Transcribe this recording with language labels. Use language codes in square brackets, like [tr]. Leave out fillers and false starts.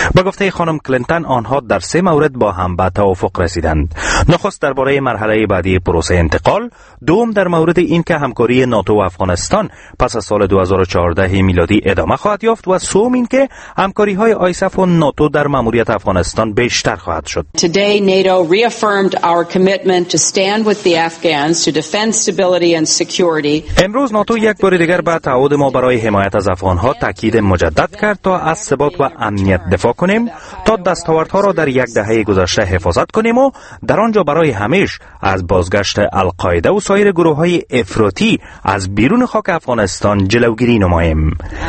[fa] با گفته خانم کلینتون، آنها در سه مورد با هم به توافق رسیدند. نخست درباره مرحله بعدی پروسه انتقال، دوم در مورد اینکه همکاری ناتو و افغانستان پس از سال 2014 میلادی ادامه خواهد یافت، و سوم اینکه همکاری های ایساف و ناتو در ماموریت افغانستان بیشتر خواهد شد. [en] Today NATO reaffirmed our commitment to stand with the Afghans to defend stability and security. [fa] امروز ناتو یک بار دیگر به تعهد ما برای حمایت از افغان‌ها تاکید مجدد کرد تا از ثبات و امنیت دفاع کنیم، تا دستاوردها را در یک دهه گذشته حفاظت کنیم و در آنجا برای همیش از بازگشت القاعده و سایر گروه‌های افراطی از بیرون خاک افغانستان جلوگیری نماییم.